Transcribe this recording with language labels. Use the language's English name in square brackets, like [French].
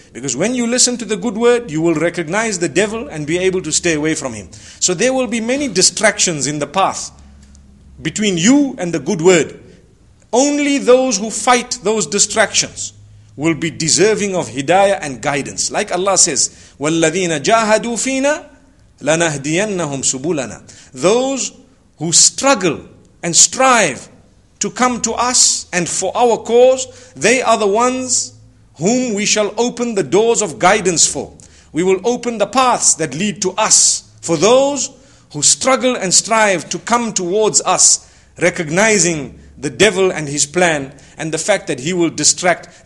[English] Because when you listen to the good word, you will recognize the devil and be able to stay away from him. So there will be many distractions in the path between you and the good word. Only those who fight those distractions will be deserving of hidayah and guidance. [Arabic] Like Allah says, وَالَّذِينَ جَاهَدُوا فِينا لَنَهْدِيَنَّهُمْ سُبُولَنَا. [English] Those who struggle and strive to come to us and for our cause, they are the ones whom we shall open the doors of guidance for. We will open the paths that lead to us. For those who struggle and strive to come towards us, recognizing the devil and his plan and the fact that he will distract.